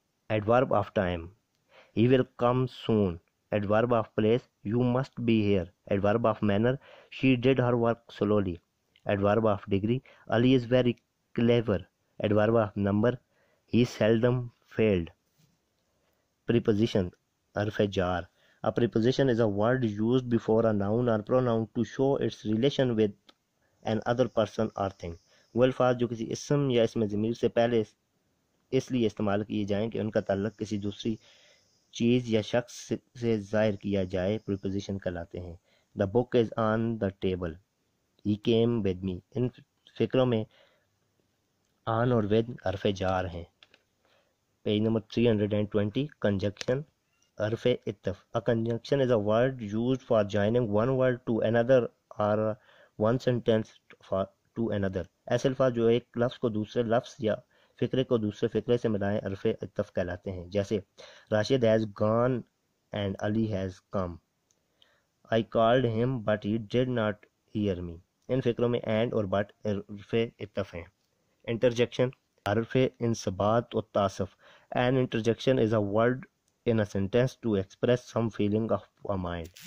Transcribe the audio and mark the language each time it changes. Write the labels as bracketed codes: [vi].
[en] Adverb of time, he will come soon. Adverb of place, you must be here. Adverb of manner, she did her work slowly. Adverb of degree, Ali is very clever. Adverb of number, he seldom failed. Preposition, [ur] حرف جار۔ [en] A preposition is a word used before a noun or pronoun to show its relation with an other person or thing. [ur] وہ الفاظ جو کسی اسم یا اسم ضمیر سے پہلے اس لیے استعمال کیے جائیں کہ ان کا تعلق کسی دوسری چیز یا شخص سے ظاہر کیا جائے preposition کہلاتے ہیں۔ [en] The book is on the table. He came with me. [ur] ان فکروں میں on اور with حرف جار ہیں۔ پیج نمبر 320، کنجکشن، حرف اتف۔ [en] A conjunction is a word used for joining one word to another or one sentence to another. [ur] ایسے الفاظ جو ایک لفظ کو دوسرے لفظ یا فکرے کو دوسرے فکرے سے ملائیں حرف اتف کہلاتے ہیں، جیسے [en] Rashid has gone and Ali has come. I called him but he did not hear me. [ur] ان فکروں میں اینڈ اور بٹ حرف اتف ہیں۔ انٹرجیکشن، حرف انسباط و تاسف۔ And انٹرجیکشن is a word [en] in a sentence to express some feeling of a mind.